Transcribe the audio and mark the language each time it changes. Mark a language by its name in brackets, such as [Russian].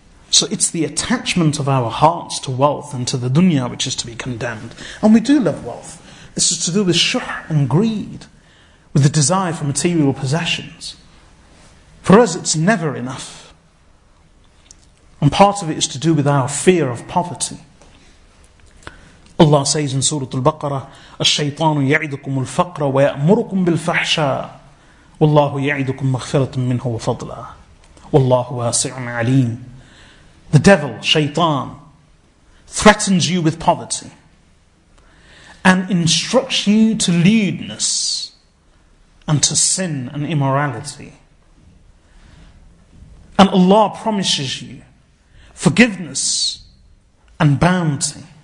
[English] So it's the attachment of our hearts to wealth and to the dunya which is to be condemned. And we do love wealth. This is to do with shuh and greed, with the desire for material possessions. For us, it's never enough. And part of it is to do with our fear of poverty. Allah says in Surah Al-Baqarah, [Arabic] الشيطان يعدكم الفقر ويأمركم بالفحشاء والله يعدكم مغفرة منه وفضلا والله واسع عليم. [English] The devil, shaitan, threatens you with poverty and instructs you to lewdness and to sin and immorality. And Allah promises you forgiveness and bounty.